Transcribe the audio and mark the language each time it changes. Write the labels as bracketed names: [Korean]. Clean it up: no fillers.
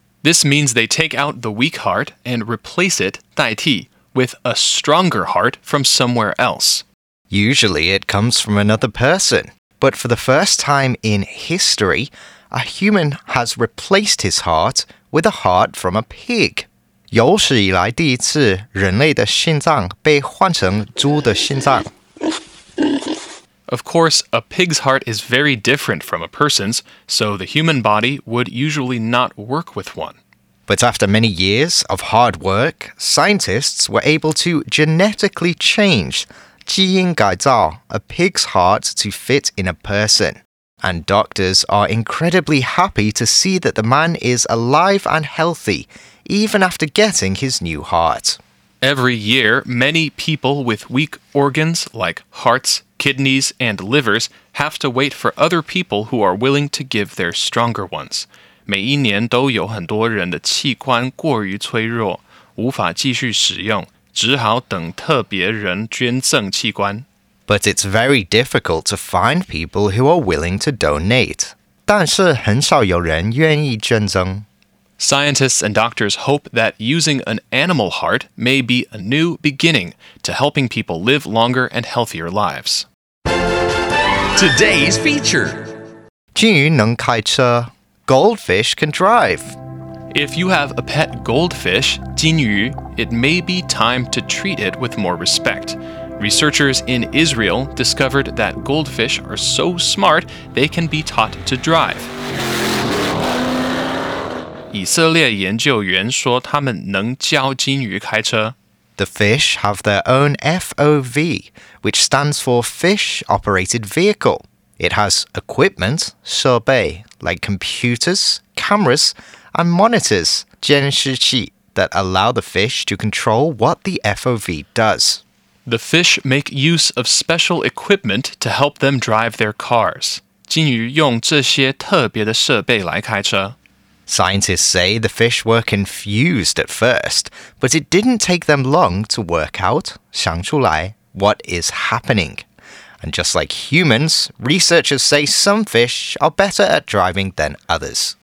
[English] This means they take out the weak heart and replace it, 代替, with a stronger heart from somewhere else. Usually it comes from another person, but for the first time in history, a human has replaced his heart with a heart from a pig. [Chinese] 有史以来第一次人类的心脏被换成猪的心脏。 [English] Of course, a pig's heart is very different from a person's, so the human body would usually not work with one. But after many years of hard work, scientists were able to genetically change... 基因改造, a pig's heart to fit in a person. And doctors are incredibly happy to see that the man is alive and healthy, even after getting his new heart. Every year, many people with weak organs like hearts, kidneys, and livers have to wait for other people who are willing to give their stronger ones. [Chinese] 每一年都有很多人的器官过于脆弱,无法继续使用。只好等特别人捐赠器官。 [English] But it's very difficult to find people who are willing to donate. [Chinese] 但是很少有人愿意捐赠。 [English] Scientists and doctors hope that using an animal heart may be a new beginning to helping people live longer and healthier lives. Today's feature. [Chinese] 金鱼能开车, [English] goldfish can drive. If you have a pet goldfish, 金鱼, it may be time to treat it with more respect. Researchers in Israel discovered that goldfish are so smart they can be taught to drive. [Chinese] 以色列研究员说他们能教金鱼开车。 [English] The fish have their own FOV, which stands for Fish Operated Vehicle. It has equipment, 设备, like computers, cameras, and monitors, 监视器, that allow the fish to control what the FOV does. The fish make use of special equipment to help them drive their cars. [Chinese] 金鱼用这些特别的设备来开车。 [English] Scientists say the fish were confused at first, but it didn't take them long to work out, 想出来, what is happening. And just like humans, researchers say some fish are better at driving than others.